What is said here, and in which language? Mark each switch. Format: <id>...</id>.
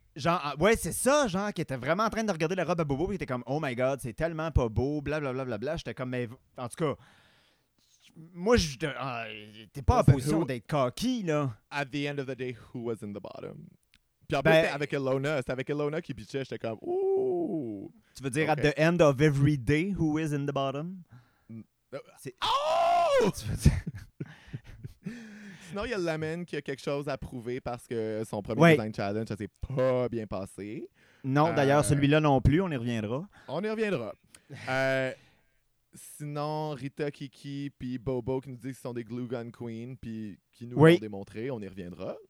<fr>Genre, ouais, c'est ça, genre, qui était vraiment en train de regarder la robe à Bobo, puis était comme,</fr> <en>oh my god,</en> <fr>c'est tellement pas beau, blablabla, blablabla. J'étais comme, mais en tout cas, moi, t'es pas en position d'être cocky, là.</fr> <en>At the end of the day, who was in the bottom?</en> <fr>Puis en plus, c'était avec Ilona qui bitchait, j'étais comme, ouh. Tu veux dire, okay.</fr> <en>At the end of every day, who is in the bottom?</en> <fr>C'est... Oh! Tu veux dire... Sinon, il y a Lemon qui a quelque chose à prouver parce que son premier design challenge, ça s'est pas bien passé. Non, d'ailleurs, celui-là non plus, on y reviendra. On y reviendra. sinon, Rita Kiki puis Bobo qui nous disent qu'ils sont des glue gun queens puis qui nous l'ont démontré, on y reviendra.</fr>